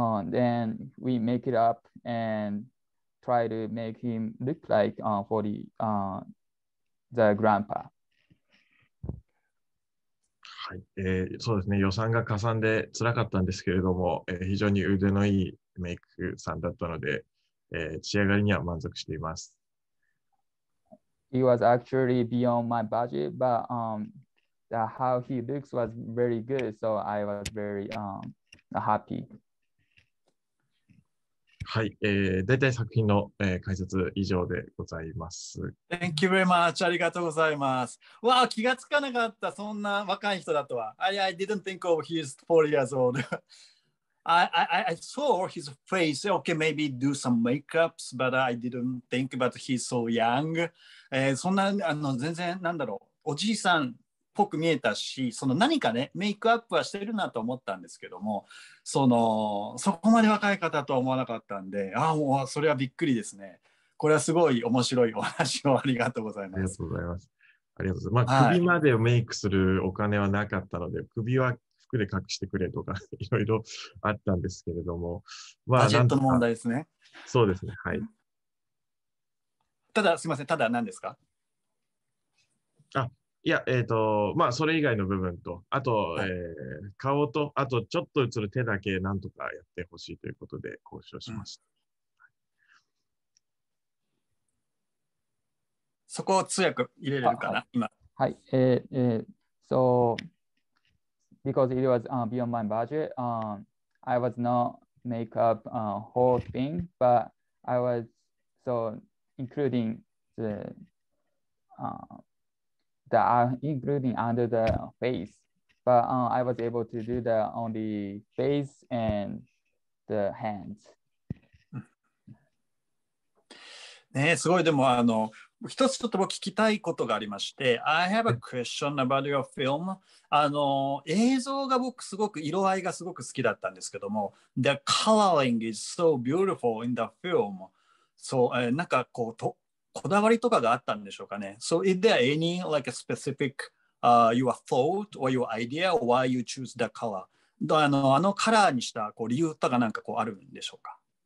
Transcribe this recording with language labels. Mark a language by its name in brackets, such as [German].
[English] Then we make it up and try to make him look like 40, the grandpa. [Japanese] はい、そうですね、予算がかさんでつらかったんですけれども、非常に腕のいいメイクさんだったので、仕上がりには満足しています。 [English] It was actually beyond my budget, but how he looks was very good, so I was very happy. [Japanese] はい、大体作品の、解説以上でございます。 [English] Thank you very much. [Japanese] ありがとうございます。わあ、気がつかなかった、そんな若い人だとは。 [English] I didn't think of he's 40 years old. I saw his face. Okay, maybe do some makeups, but I didn't think about he's so young. [Japanese] そんな全然なんだろう、おじいさんっぽく見えたし、その何かね、メイクアップはしてるなと思ったんですけども、そこまで若い方とは思わなかったんで、ああ、もうそれはびっくりですね。これはすごい面白いお話をありがとうございます。ありがとうございます。ありがとうございます。まあ、首までメイクするお金はなかったので、はい、首は服で隠してくれとか、いろいろあったんですけれども、まあ、バジェットの問題ですね。そうですね、はい。ただ、すみません、ただ何ですか？あ、いや、まあ、それ以外の部分と、あと、はい、顔と、あとちょっと映る手だけなんとかやってほしいということで交渉しました。うん、そこを通訳入れれるかな、今。はい。 [English] So, because it was beyond my budget, I was not make up whole thing, but I was, so, including the... including under the face, but I was able to do the only face and the hands. [Japanese] ねえ、すごい。でも一つちょっと聞きたいことがありまして、 [English] I have a question about your film. [Japanese] 映像が僕すごく色合いがすごく好きだったんですけども、 [English] The coloring is so beautiful in the film. [Japanese] So, なんかこうとこだわりとかがあったんでしょうかね。 [English] So is there any like a specific your thought or your idea or why you choose the color? [Japanese] あのカラーにしたこう理由とかなんかこうあるんでしょうか。